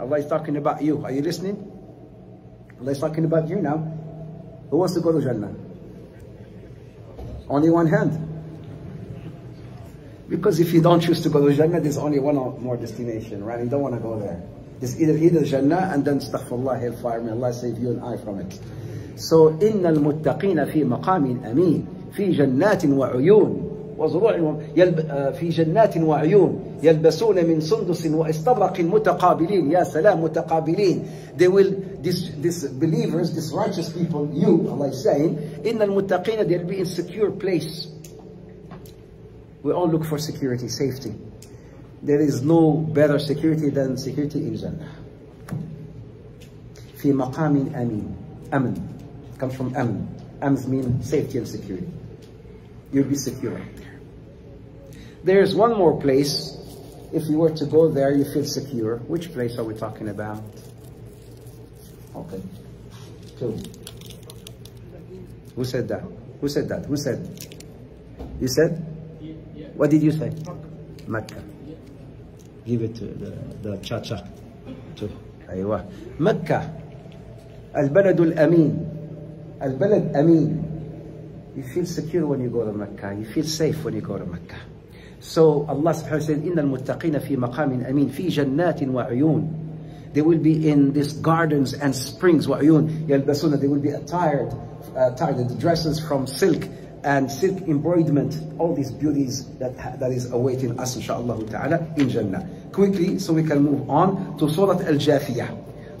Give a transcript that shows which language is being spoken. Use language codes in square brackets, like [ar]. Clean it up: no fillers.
[en] Allah is talking about you. Are you listening? Allah is talking about you now. Who wants to go to Jannah? Only one hand. Because if you don't choose to go to Jannah, there's only one more destination, right? You don't want to go there. is either Jannah and then astaghfirullah, hellfire, may Allah save you and I from it. [ar] So إن المتقين في مقام أمين في جنات وعيون وزروع في جنات وعيون يلبسون من سندس واستبرق متقابلين. يا سلام متقابلين. [en] They will, this believers, this righteous people, you, Allah is saying, [ar] إن المتقين, [en] they'll be in secure place. We all look for security, safety. There is no better security than security in Jannah. [ar] في مقام أمين. [en] أمن comes from أمن. أمن means safety and security. You'll be secure right there. There's one more place. If you were to go there, you feel secure. Which place are we talking about? Okay. Two. Who said that? Who said that? Who said? You said? Yeah. What did you say? Mecca. Yeah. Give it to the cha-cha. To. Aywa. Mecca. Al-Balad al-Amin. Al-Balad Amin. You feel secure when you go to Mecca. You feel safe when you go to Mecca. So Allah subhanahu wa ta'ala said, [ar] إِنَّ الْمُتَّقِينَ فِي مَقَامٍ أَمِينٍ فِي جَنَّاتٍ وَعُيُونٍ. [en] They will be in these gardens and springs. [ar] وَعُيُونٍ يَلْبَسُونَ. [en] They will be attired, the dresses from silk and silk embroidery. All these beauties that is awaiting us, inshaAllah ta'ala, in Jannah. Quickly, so we can move on to Surah Al-Jathiyah.